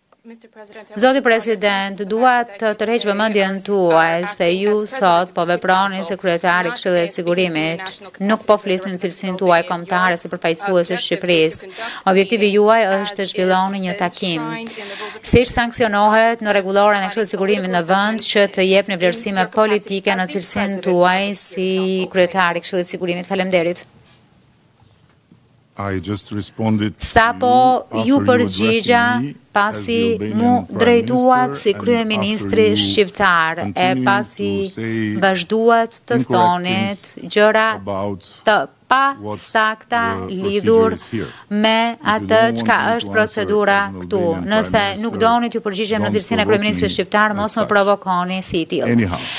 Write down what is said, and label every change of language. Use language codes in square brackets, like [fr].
[sq] Zoti President, dua të tërheq vëmendjen tuaj se ju sot po veproni si kryetari Këshillit të Sigurimit, nuk po flisni në cilësinë tuaj kombëtare si përfaqësuese të Shqipërisë. Objektivi juaj është të zhvilloni një takim. Siç sankcionohet në rregulloren e Këshillit të Sigurimit në vend që të jepni vlerësime politike në cilësinë tuaj si kryetari Këshillit të Sigurimit? Faleminderit. [en] I just responded to you after you addressed me, [sq] pasi mu drejtuat si kryeministri shqiptar e pasi vazhduat të thonit gjëra të pa sakta lidhur me atë çka është procedura këtu. Nëse nuk doni t'ju përgjigjem në cilësinë e kryeministrit shqiptar, mos më provokoni si i tillë.